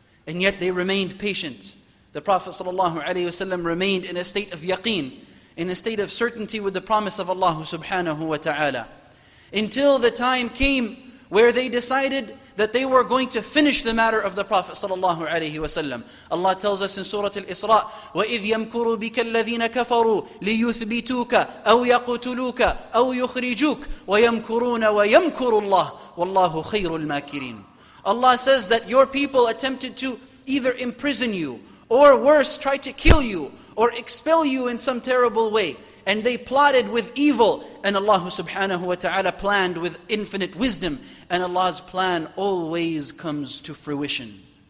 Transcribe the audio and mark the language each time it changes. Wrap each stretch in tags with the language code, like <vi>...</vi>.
<en>And yet they remained patient. The Prophet sallallahu alaihi wasallam remained in a state of yaqeen, in a state of certainty with the promise of Allah subhanahu wa ta'ala. Until the time came where they decided that they were going to finish the matter of the Prophet sallallahu alaihi wasallam. Allah tells us in Surah Al-Isra,</en> <ar>وَإِذْ يَمْكُرُ بِكَ الَّذِينَ كَفَرُوا لِيُثْبِتُوكَ أَوْ يَقْتُلُوكَ أَوْ يُخْرِجُوكَ وَيَمْكُرُونَ وَيَمْكُرُ اللَّهُ وَاللَّهُ خَيْرُ الْمَاكِرِينَ.</ar> <en>Allah says that your people attempted to either imprison you, or worse, try to kill you, or expel you in some terrible way. And they plotted with evil, and Allah subhanahu wa ta'ala planned with infinite wisdom. And Allah's plan always comes to fruition.</en>